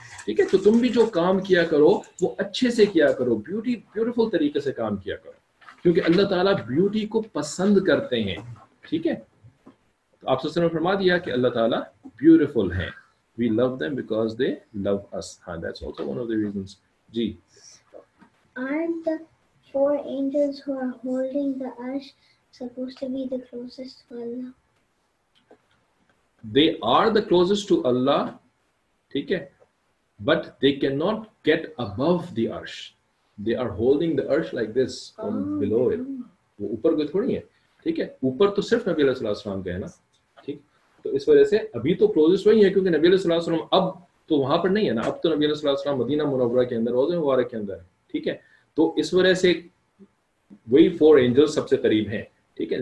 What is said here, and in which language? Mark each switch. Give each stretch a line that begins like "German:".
Hindi: ठीक है, तो तुम भी जो काम किया करो वो अच्छे से किया करो, ब्यूटी ब्यूटीफुल तरीके से काम किया करो, क्योंकि अल्लाह ताला ब्यूटी को पसंद करते हैं. ठीक है, तो आप सबसे फरमा दिया कि अल्लाह ताला ब्यूटीफुल हैं,
English: We love them because they love us. हाँ, that's also one of the reasons. Aren't the four angels who are holding the arsh supposed to be the closest to Allah? They are the closest to Allah, okay? But they cannot get above the arsh. They are holding the arsh like this from below it.
Hindi: वो ऊपर कोई थोड़ी है, ठीक है? ऊपर तो सिर्फ नबी अल्लाह सल्लल्लाहु अलैहि वसल्लम गए ना, ठीक? तो इस वजह से अभी तो क्लोजेस्ट वही है क्योंकि नबी अल्लाह सल्लल्लाहु अलैहि वसल्लम अब तो वहां पर नहीं है ना, अब तो नबी अल्लाह सल्लल्लाहु अलैहि वसल्लम मदीना मुनव्वरा के अंदर, रोजे मुबारक के अंदर है, ठीक है? तो इस वजह से वही फोर एंजल्स सबसे करीब हैं, ठीक है?